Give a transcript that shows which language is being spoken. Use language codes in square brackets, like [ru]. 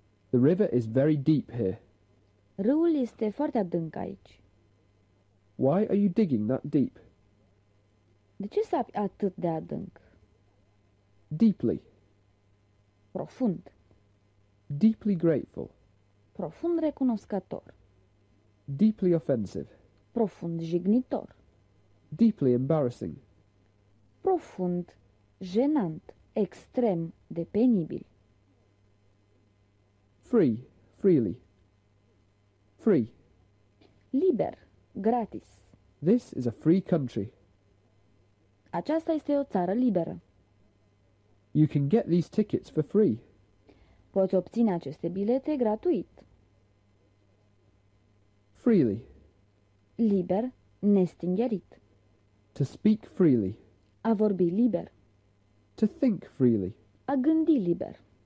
[en] The river is very deep here. [ro] Râul este foarte adânc aici. [en] Why are you digging that deep? [ro] De ce sapi atât de adânc? [en] Deeply. [ro] Profund. [en] Deeply grateful. [ro] Profund recunoscător. [en] Deeply offensive. [ro] Profund jignitor. [en] Deeply embarrassing. [ro] Profund jenant, extrem de penibil. [en] Free, freely. Free. [ro] Liber, gratis. [en] This is a free country. [ro] Aceasta este o țară liberă. [en] You can get these tickets for free. [ro] Poți obține aceste bilete gratuit. [en] Freely. [ro] Liber, nestingherit. [en] To speak freely. [ro] A vorbi liber. [en] To think freely. [ro] A gândi liber.